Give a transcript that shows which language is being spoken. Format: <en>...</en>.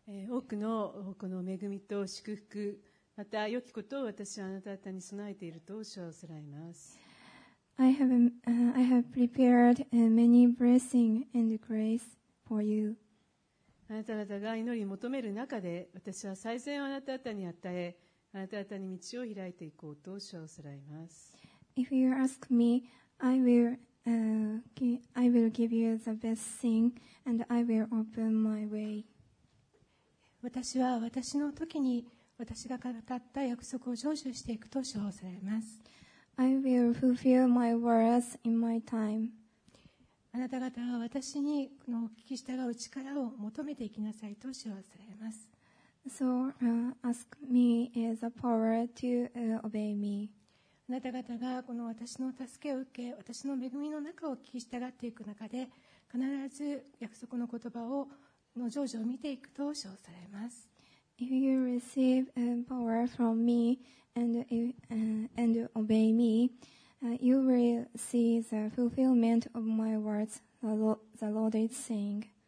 <ja>多くのこの恵みと祝福、また良きことを私はあなた方に備えていると主は仰せられます。</ja> <en>I have prepared many blessing and grace for you。</en> <ja>あなた方が祈り求める中で、私は最善をあなた方に与え、あなた方に道を開いていこうと主は仰せられます。</ja> <en>If you ask me, I will give you the best thing and I will open my way。</en> <ja>私は私の時に私が語った約束を成就していくと主は仰せられます。</ja> <en>I will fulfill my words in my time。</en> <ja>あなた方は私にこのお聞き従う力を求めていきなさいと主は仰せられます。</ja> <en>So ask me the power to obey me。</en> <ja>あなた方がこの私の助けを受け、私の恵みの中を聞き従っていく中で、必ず約束の言葉をの成就を見ていくと主は仰せられます。</ja> <en>If you receive power from me and obey me, you will see the fulfillment of my words, the Lord is saying.</en>